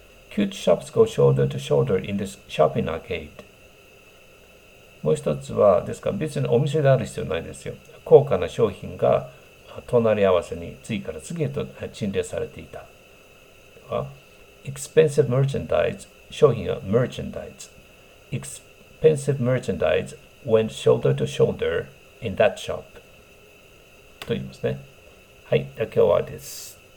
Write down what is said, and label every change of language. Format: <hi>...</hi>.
<en>Cute shops go shoulder to shoulder in this shopping arcade。</en> <ja>もう一つは、ですから別にお店である必要ないですよ。高価な商品が隣り合わせに次から次へと陳列されていた。では、Expensive merchandise、商品は merchandise。</ja> <en>Expensive merchandise went shoulder to shoulder in that shop。</en> <ja>と言いますね。はい、今日はです。</ja>